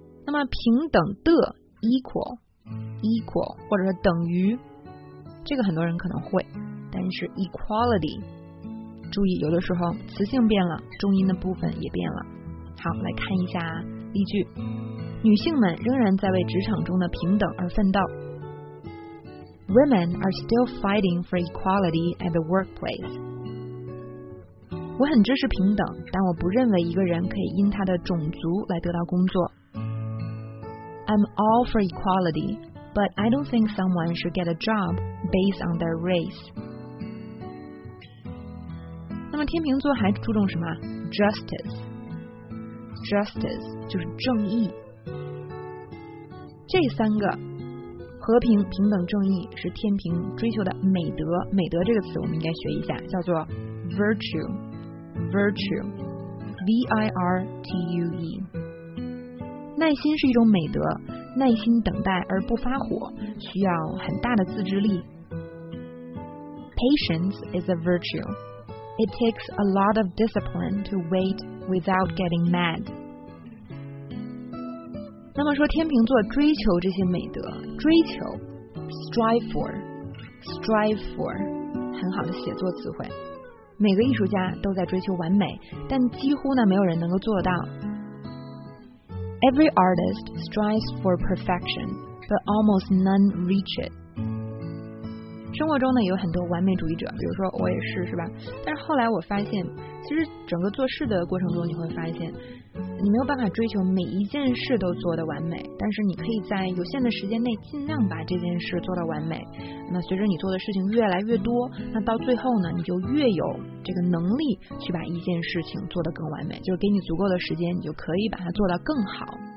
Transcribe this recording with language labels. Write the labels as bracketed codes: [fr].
[zh] 那么平等的 equal 或者是等于，这个很多人可能会，但是 equality， 注意有的时候词性变了，重音的部分也变了。好，来看一下例句。女性们仍然在为职场中的平等而奋斗。 [en] Women are still fighting for equality at the workplace。 [zh] 我很支持平等，但我不认为一个人可以因他的种族来得到工作。 [en] I'm all for equality, but I don't think someone should get a job based on their race。 [zh] 那么天秤座还注重什么？ Justice 就是正义。这三个，和平、平等、正义是天秤追求的美德。美德这个词我们应该学一下，叫做 Virtue V-I-R-T-U-E。耐心是一种美德，耐心等待而不发火需要很大的自制力。 [en] Patience is a virtue. It takes a lot of discipline to wait without getting mad. [zh] 那么说天秤座追求这些美德，追求 strive for 很好的写作词汇。每个艺术家都在追求完美，但几乎呢没有人能够做到。 [en] Every artist strives for perfection, but almost none reach it. [zh] 生活中呢有很多完美主义者，比如说我也是，是吧？但是后来我发现，其实整个做事的过程中，你会发现你没有办法追求每一件事都做得完美，但是你可以在有限的时间内尽量把这件事做到完美。那随着你做的事情越来越多，那到最后呢你就越有这个能力去把一件事情做得更完美，就是给你足够的时间，你就可以把它做到更好。